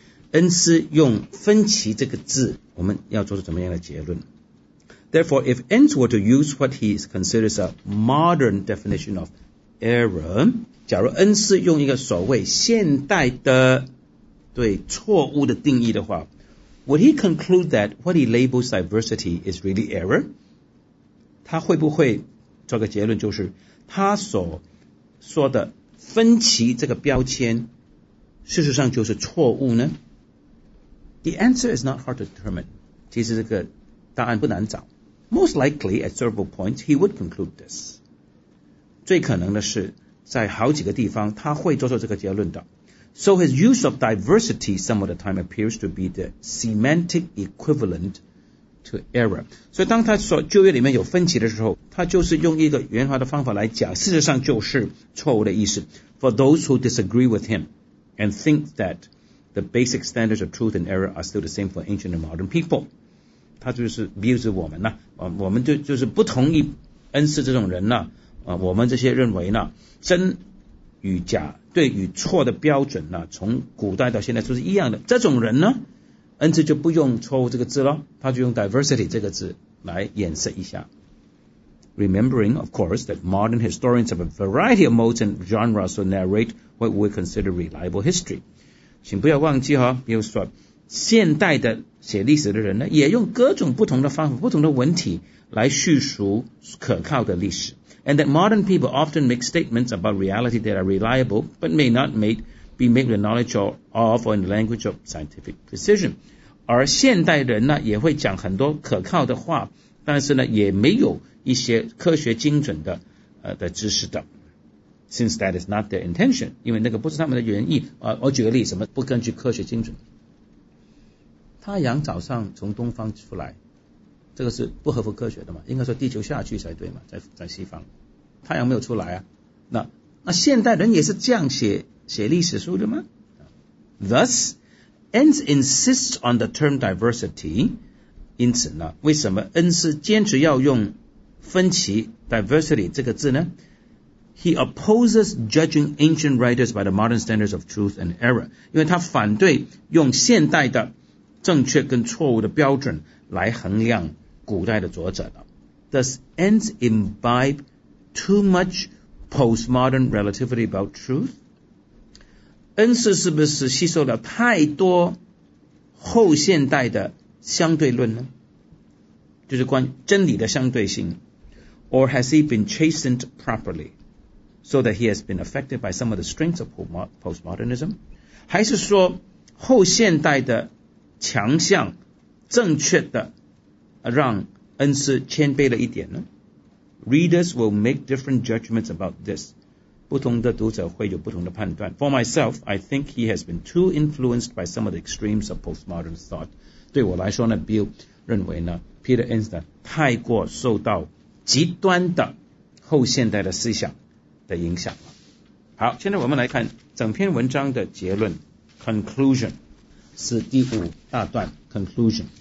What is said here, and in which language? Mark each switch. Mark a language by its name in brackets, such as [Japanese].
[Chinese] 恩斯用分歧这个字，我们要做出怎么样的结论？ [English] Therefore, if Enns were to use what he considers a modern definition of error, [Chinese] 假如恩斯用一个所谓现代的对错误的定义的话， [English] would he conclude that what he labels diversity is really error? [Chinese] 他会不会做个结论，就是他所说的分歧这个标签事实上就是错误呢？ [English] The answer is not hard to determine. [Chinese] 其实这个答案不难找。 [English] Most likely, at several points, he would conclude this. [Chinese] 最可能的是在好几个地方他会做出这个结论的。 [English] So his use of diversity some of the time appears to be the semantic equivalent to error. [Chinese] 所以当他说旧约里面有分歧的时候，他就是用一个圆滑的方法来讲，事实上就是错误的意思。 [English] For those who disagree with him and think that the basic standards of truth and error are still the same for ancient and modern people. [Chinese] 他就是 views 我们呢、我们就是不同意恩斯这种人呢、我们这些认为呢，真与假、对与错的标准呢，从古代到现在都是一样的。这种人呢，恩斯就不用错误这个字了，他就用 diversity 这个字来掩饰一下。 [English] Remembering, of course, that modern historians have a variety of modes and genres to narrate what we consider reliable history. [Chinese] 请不要忘记哈，比如说现代的写历史的人呢，也用各种不同的方法、不同的文体来叙述可靠的历史。 [English] And that modern people often make statements about reality that are reliable, but may not be made with knowledge of or in the language of scientific precision. [Chinese] 而现代人呢，也会讲很多可靠的话，但是呢，也没有一些科学精准的的知识的。 [English] Since that is not their intention, [Chinese] 因为那个不是他们的原意。我举个例子，什么不根据科学精准？太阳早上从东方出来，这个是不合乎科学的嘛？应该说地球下去才对嘛，在西方，太阳没有出来啊。那现代人也是这样写历史书的吗 ？ [English] Thus, Enns insists on the term diversity. [Chinese] 因此呢，为什么恩斯坚持要用分歧 diversity 这个字呢 [English] ？He opposes judging ancient writers by the modern standards of truth and error. [Chinese] 因为他反对用现代的正确跟错误的标准来衡量古代的作者的。 [English] Does Enns imbibe too much postmodern relativity about truth? [Chinese] 恩斯是不是吸收了太多后现代的相对论呢？就是关于真理的相对性。 [English] Or has he been chastened properly so that he has been affected by some of the strengths of postmodernism? [Chinese] 还是说后现代的强项正确的让恩斯谦卑了一点呢？ [English] Readers will make different judgments about this. [Chinese] 不同的读者会有不同的判断。 [English] For myself, I think he has been too influenced by some of the extremes of postmodern thought. [Chinese] 对我来说呢， Bill 认为呢， Peter Enns 太过受到极端的后现代的思想的影响了。好，现在我们来看整篇文章的结论 Conclusion是第五大段 Conclusion.